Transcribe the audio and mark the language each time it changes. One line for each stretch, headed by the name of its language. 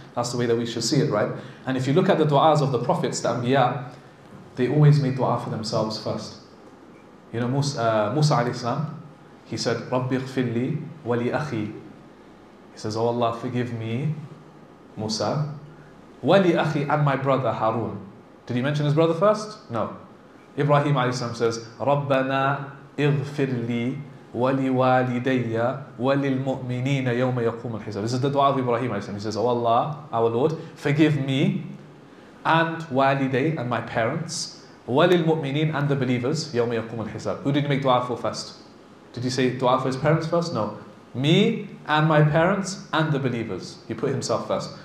English: That's the way that we should see it, right? And if you look at the du'as of the prophets, the anbiya, they always made dua for themselves first. You know, Musa alayhi salam, he said,
Arabic: رَبِّ اغْفِرْ لِي وَلِي أَخِي.
English: He says, oh Allah, forgive me, Musa,
Arabic: وَلِي أَخِي,
English: and my brother Harun. Did he mention his brother first? No. Ibrahim alayhi salam says,
Arabic: رَبَّنَا اغْفِرْ لِي وَلِوَالِدَيَّ وَلِلْمُؤْمِنِينَ يَوْمَ يَقُومُ الْحِسَابِ.
English: This is the dua of Ibrahim alayhi salam. He says, oh Allah, our Lord, forgive me and waliday, and my parents,
Arabic: وَلِلْمُؤْمِنِينَ,
English: and the believers,
Arabic: يَوْمَ يَقُومُ الْحِسَابِ.
English: Who did he make dua for first? Did he say dua for his parents first? No. Me and my parents and the believers. He put himself first.